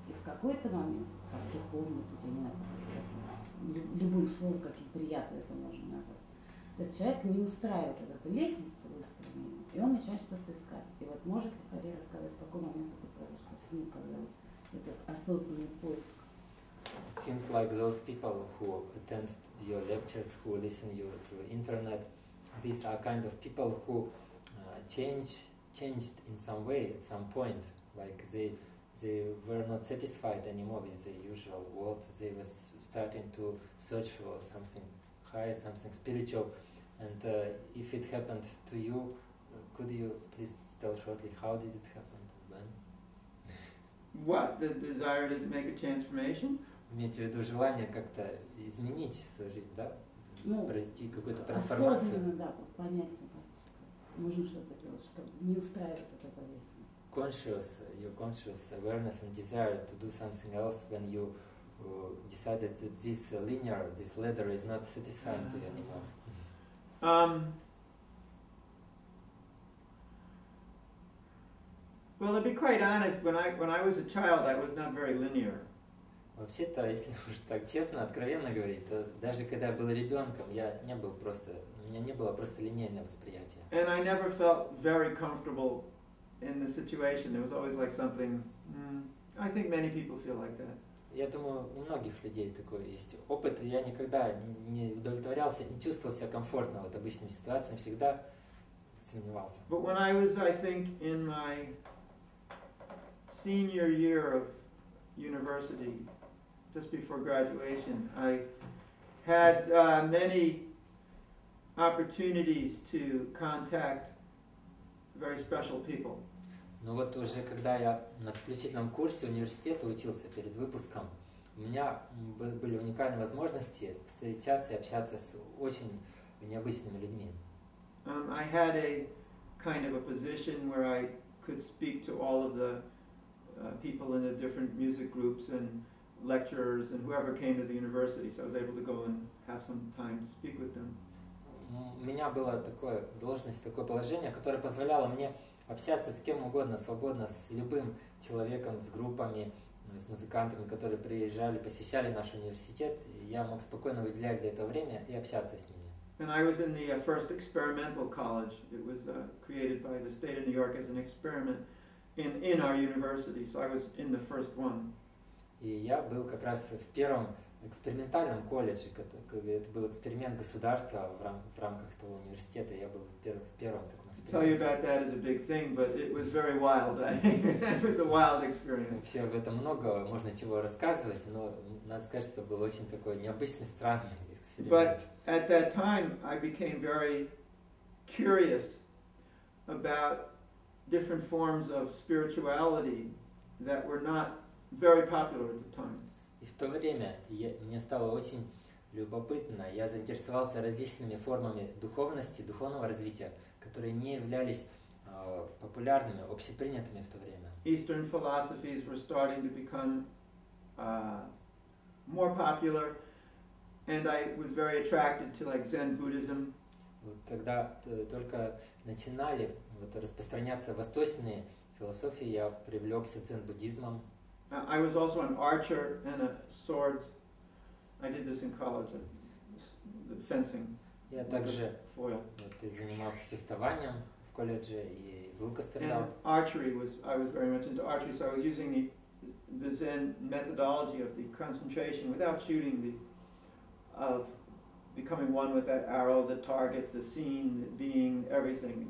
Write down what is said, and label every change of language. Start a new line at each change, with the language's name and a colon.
Russian: И в какой-то момент, там, духовный путь, я не знаю, любым словом, как приятно это можно назвать. То есть человек не устраивает вот эту лестницу выстроенную, и он начинает что-то искать. И вот может ли Фария рассказать, в какой момент это произошло с ним, когда вот этот осознанный поиск?
English: It seems like those people who attend your lectures, who listen to you through internet, these are kind of people who changed in some way at some point. Like they were not satisfied anymore with the usual world. They were starting to search for something higher, something spiritual. And if it happened to you, could you please tell shortly how did it happen and when? What, the desire to make a transformation?
Russian: Имеете в виду желание как-то изменить свою жизнь, да? Ну, пройти какую-то трансформацию. Осознанно, да, понятие. Нужно что-то делать, что не устраивает эта повестка.
English: Conscious, your conscious awareness and desire to do something else when you decided that this linear, this ladder is not satisfying to you anymore. Well, to be quite honest, when I was a child, I was not very linear.
Russian: Вообще-то, если уж так честно, откровенно говорить, то даже когда я был ребенком, я не был просто, у меня не было просто линейного восприятия.
English: And I never felt very comfortable in the situation. There was always like something. I think many people feel like that.
Russian: Я думаю, у многих людей такой есть опыт. Я никогда не удовлетворялся, не чувствовал себя комфортно вот обычным ситуациям, всегда сомневался.
English: But when I was, I think, in my senior year of university, just before graduation, I had many opportunities to contact very special people.
Russian: Ну вот уже когда я на заключительном курсе университета учился перед выпуском, у меня были уникальные возможности встречаться и общаться с очень необычными людьми.
English: I had a kind of a position where I could speak to all of the people in the different music groups and lecturers and whoever came to the university, so I was able to go and have some time to speak with them.
Russian: У меня было такое должность, такое положение, которое позволяло мне общаться с кем угодно, свободно, с любым человеком, с группами, с музыкантами, которые приезжали, посещали наш университет. Я мог спокойно выделять для этого время и общаться с ними.
English: And I was in the first experimental college. It was created by the state of New York as an experiment in our university, so I was in the first one.
Russian: И я был как раз в первом экспериментальном колледже, это был эксперимент государства в рамках того университета, я был в первом таком эксперименте.
English: Tell you about that is a big thing, but it was very wild. It was a wild experience.
Russian: Вообще об этом много, можно чего рассказывать, но надо сказать, что был очень такой необычный, странный эксперимент.
English: But at that time, I became very curious about different forms of spirituality that were not very popular at the time.
Russian: И в то время мне стало очень любопытно. Я заинтересовался различными формами духовности, духовного развития, которые не являлись популярными, общепринятыми в то время.
English: Eastern philosophies were starting to become more popular, and I was very attracted to like Zen Buddhism.
Russian: Вот тогда только начинали вот распространяться восточные философии, я привлекся дзен-буддизмом.
English: I was also an archer and a sword. I did this in college, the fencing.
Russian: Я также вот и занимался фехтованием в колледже и из лука стрелял.
English: And archery was, I was very much into archery, so I was using the Zen methodology of the concentration without shooting, of becoming one with that arrow, the target, the scene, the being, everything.